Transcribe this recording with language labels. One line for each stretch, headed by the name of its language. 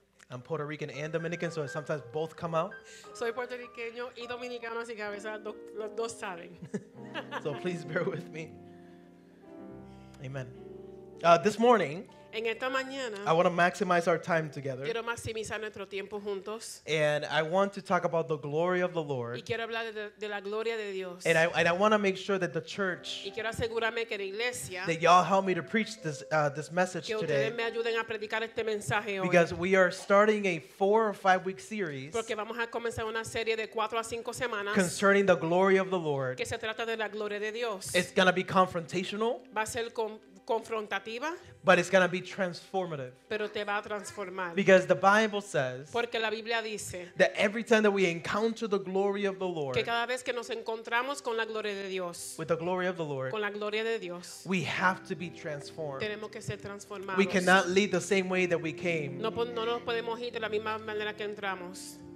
English: I'm Puerto Rican and Dominican, so sometimes both come out.
Spanish: Soy puertorriqueño y dominicano, así que a veces los dos salen.
English: So please bear with me. Amen. This morning,
Spanish: en esta mañana,
English: I want to maximize our time together.
Spanish: Quiero maximizar nuestro tiempo juntos.
English: And I want to talk about the glory of the Lord.
Spanish: Y quiero hablar de la gloria de Dios.
English: And I want to make sure that the church,
Spanish: y quiero asegurarme que la iglesia,
English: that y'all help me to preach this this message
Spanish: que Ustedes me ayuden a predicar este mensaje hoy.
English: Because we are starting a 4 or 5 week series,
Spanish: porque vamos a comenzar una serie de 4 a 5 semanas,
English: concerning the glory of the Lord.
Spanish: Que se trata de la gloria de Dios.
English: It's going to be confrontational.
Spanish: Va a ser confrontativa.
English: But it's going to be transformative.
Spanish: Pero te va a transformar.
English: Because the Bible says,
Spanish: porque la Biblia dice,
English: that every time that we encounter the glory of the Lord,
Spanish: que cada vez que nos encontramos con la gloria de Dios,
English: with the glory of the Lord,
Spanish: con la gloria de Dios,
English: we have to be transformed.
Spanish: Tenemos que ser transformados.
English: We cannot leave the same way that we came.
Spanish: No nos podemos ir de la misma manera que entramos.